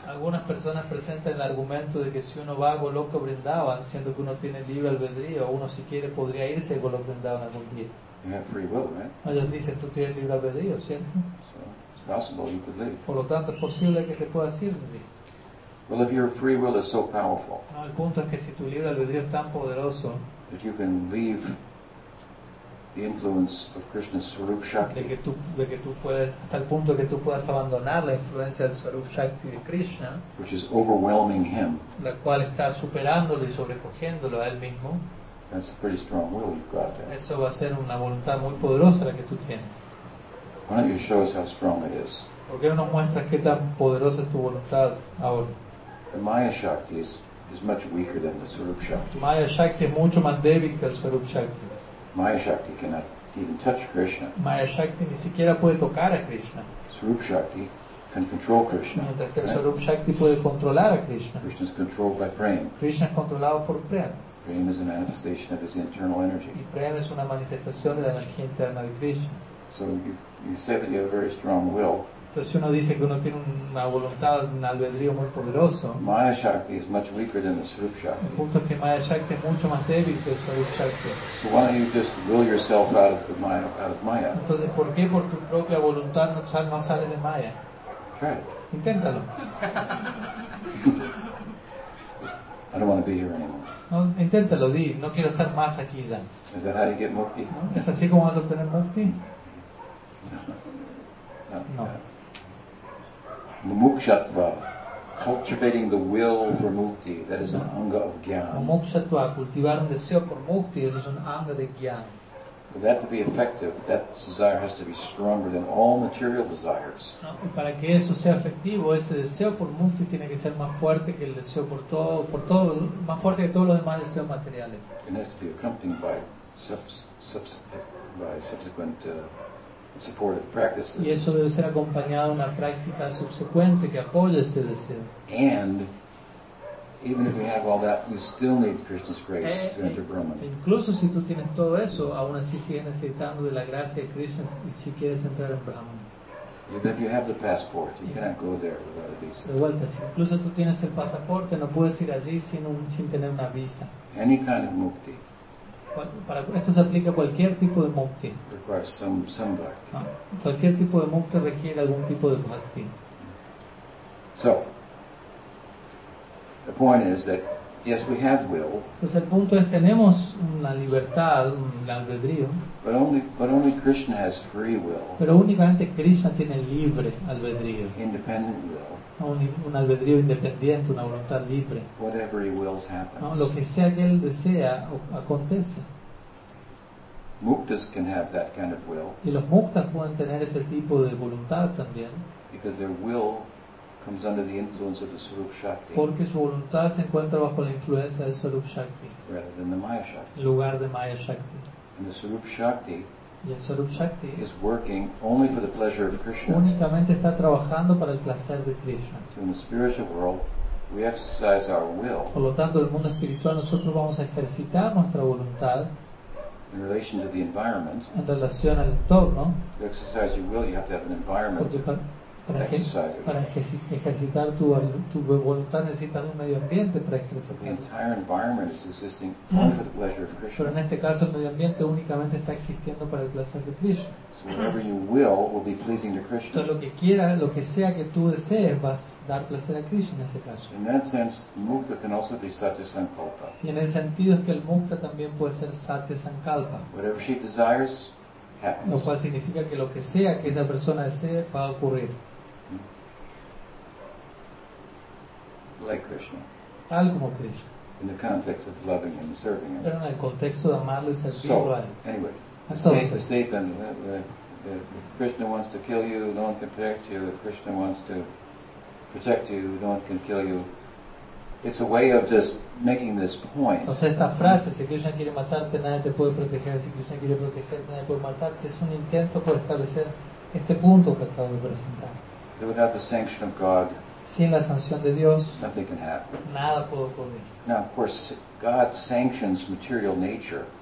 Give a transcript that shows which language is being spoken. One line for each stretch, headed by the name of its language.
Spanish: Algunas personas presentan el argumento de que si uno va a Goloka Vrindavan, siendo que uno tiene libre albedrío, uno si quiere podría irse a Goloka Vrindavan algún día.
English: You have free will, right?
Spanish: Ellos dicen, tú tienes libre albedrío, ¿cierto?
English: So, it's possible you could leave.
Spanish: Por lo tanto, es posible que te puedas ir, ¿sí?
English: Well, if your free will is so powerful,
Spanish: no, el punto es que si tu libre albedrío es tan poderoso,
English: that you can leave the influence of Krishna's Swarup Shakti.
Spanish: De que tú puedes, hasta el punto que tú puedas abandonar la influencia del Swarup Shakti de Krishna,
English: which is overwhelming him,
Spanish: la cual está superándolo y sobrecogiéndolo a él mismo.
English: That's a pretty strong will you've got there.
Spanish: Eso va a ser una voluntad muy poderosa la que tú tienes.
English: Why don't you show us how strong it is?
Spanish: ¿Por qué no nos muestras qué tan poderosa es tu voluntad ahora?
English: The Maya Shakti is is much weaker than the Swarup Shakti.
Spanish: Maya Shakti es mucho más débil que el Swarup Shakti.
English: Maya Shakti cannot even touch Krishna.
Spanish: Maya Shakti ni siquiera puede tocar a Krishna.
English: Swarup Shakti can control Krishna.
Spanish: Mientras que el Swarup Shakti puede controlar a Krishna.
English: Krishna is controlled by Prem.
Spanish: Krishna es controlado por Prem.
English: Prem is a manifestation of his internal energy.
Spanish: Y Prem es una manifestación de la energía interna de Krishna.
English: So you say that you have a very strong will.
Spanish: Entonces uno dice que uno tiene una voluntad, un albedrío muy poderoso.
English: Maya Shakti is much weaker than the Swarup Shakti.
Spanish: El punto es que Maya Shakti es mucho más débil que el Swarup Shakti.
English: So why don't you just will yourself out of the Maya, out of Maya?
Spanish: Entonces, ¿por qué por tu propia voluntad no sal, no sale de Maya?
English: Try it.
Spanish: Inténtalo.
English: I don't want to be here anymore.
Spanish: No, inténtalo, di, no quiero estar más aquí ya.
English: Is that how you get mukti?
Spanish: ¿No? ¿Es así como vas a obtener mukti?
English: No. Mukshatva, cultivating the will for mukti, that is an anga of jnana.
Spanish: Mukshatva, cultivar un deseo por mukti, eso es un anga de jnana.
English: For that to be effective, that desire has to be stronger than all material desires.
Spanish: No, y para que eso sea efectivo, ese deseo por mukti tiene que ser más fuerte que el deseo por todo, más fuerte que todos los demás deseos materiales.
English: It has to be accompanied by subsequent supportive practices.
Spanish: Y eso debe ser acompañado de una práctica subsecuente que apoye ese deseo.
English: And even if we have all that, we still need Krishna's grace to enter Brahman.
Spanish: Incluso si tú tienes todo eso, aún así sigues necesitando de la gracia de Krishna si quieres entrar en Brahman.
English: If you have the passport, you cannot go there without a visa.
Spanish: De vuelta, si incluso tú tienes el pasaporte, no puedes ir allí sin tener una visa.
English: Any kind of mukti.
Spanish: Esto se aplica a cualquier tipo de mukti.
English: Requires some bhakti.
Spanish: Cualquier tipo de mukti requiere algún tipo de bhakti.
English: So, the point is that yes, we have will.
Spanish: Entonces el punto es tenemos una libertad, un albedrío.
English: But only Krishna has free will.
Spanish: Pero únicamente Krishna tiene libre albedrío.
English: Independent will.
Spanish: Un albedrío independiente, una voluntad libre.
English: Whatever he wills happens.
Spanish: No, lo que sea que él desea acontece.
English: Muktas can have that kind of will.
Spanish: Y los muktas pueden tener ese tipo de voluntad también.
English: Because their will comes under the influence of the Swarup Shakti.
Spanish: Porque su voluntad se encuentra bajo la influencia del Swarup Shakti.
English: Rather than the Maya Shakti.
Spanish: En lugar de Maya Shakti.
English: And the Swarup Shakti.
Spanish: Y el Swarup Shakti
English: is working only for the pleasure of Krishna.
Spanish: Únicamente está trabajando para el placer de Krishna.
English: So in the spiritual world, we exercise our will.
Spanish: Por lo tanto, en el mundo espiritual nosotros vamos a ejercitar nuestra voluntad.
English: In relation to the environment.
Spanish: En relación al entorno.
English: To exercise your will, you have to have an environment.
Spanish: Porque para ejercitar tu voluntad necesitas un medio ambiente para ejercitar.
English: The entire environment is existing only for the pleasure of Krishna.
Spanish: Pero en este caso el medio ambiente únicamente está existiendo para el placer de Krishna.
English: So whatever you will be pleasing to Krishna.
Spanish: Entonces lo que quiera, lo que sea que tú desees, vas a dar placer a Krishna en ese caso.
English: In that sense, mukta can also be satya sankalpa.
Spanish: Y en ese sentido es que el mukta también puede ser satya sankalpa.
English: Whatever she desires, happens.
Spanish: Lo cual significa que lo que sea que esa persona desee va a ocurrir.
English: Like Krishna.
Spanish: Tal como Krishna.
English: In the context of loving him and serving him.
Spanish: Pero en el contexto de amarlo y servirlo a él.
English: So, anyway. If Krishna wants to kill you, no one can protect you. If Krishna wants to protect you, no one can kill you. It's a way of just making this point.
Spanish: Entonces esta frase, si Krishna quiere matarte, nadie te puede proteger. Si Krishna quiere protegerte, nadie puede matarte. Es un intento por establecer este punto que acabo de presentar.
English: That without the sanction of God,
Spanish: sin la sanción de Dios,
English: nothing can happen.
Spanish: Nada puede ocurrir.
English: Now, of course, God sanctions material nature.